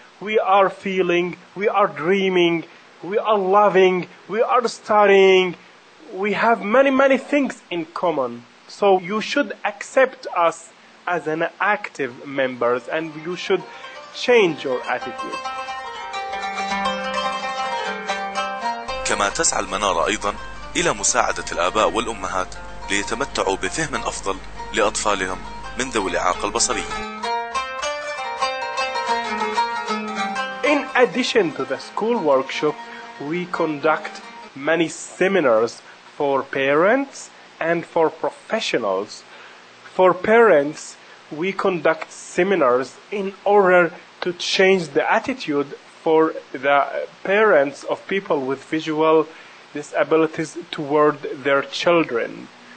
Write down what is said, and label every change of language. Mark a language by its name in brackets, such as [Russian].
[English] We are feeling, we are dreaming, we are loving, we are studying, we have many, many things in common. So you should accept us as an active members, and you should change your attitude. [Arabic] كما تسعى المنارة أيضا إلى مساعدة الآباء والأمهات ليتمتعوا بفهم أفضل لأطفالهم من ذوي الإعاقة البصرية. [English] In addition to the school workshop, we conduct many seminars for parents and for professionals. For parents, we conduct seminars in order to change the attitude for the parents of people with visual disabilities toward their children.